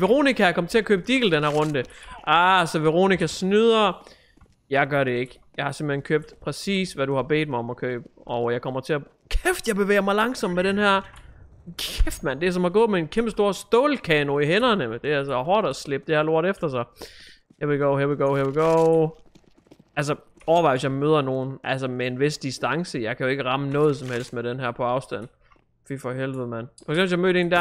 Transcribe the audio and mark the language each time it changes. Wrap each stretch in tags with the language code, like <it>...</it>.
<da>Veronica er kommet til at købe Deagle den her runde. Ah, så Veronica snyder. Jeg gør det ikke. Jeg har simpelthen købt præcis, hvad du har bedt mig om at købe. Og jeg kommer til at... Kæft, jeg bevæger mig langsomt med den her... Kæft, mand. Det er som at gå med en kæmpe stor stålkano i hænderne. Det er altså hårdt at slippe det her lort efter sig.</da> <en>Here we go, here we go, here we go.</en> <da>Altså, overvej, hvis jeg møder nogen. Altså, med en vis distance. Jeg kan jo ikke ramme noget som helst med den her på afstand. Fy for helvede, mand. For eksempel, jeg mødte en der...</da>